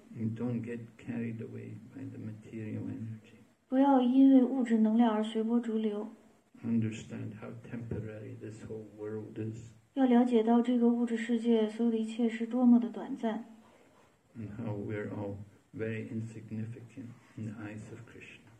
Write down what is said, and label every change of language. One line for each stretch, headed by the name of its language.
English: You don't get carried away by the material energy.
Chinese: 不要因为物质能量而随波逐流。
English: Understand how temporary this whole world is.
Chinese: 要了解到这个物质世界所有的一切是多么的短暂。
English: And how we're all very insignificant in the eyes of Krishna.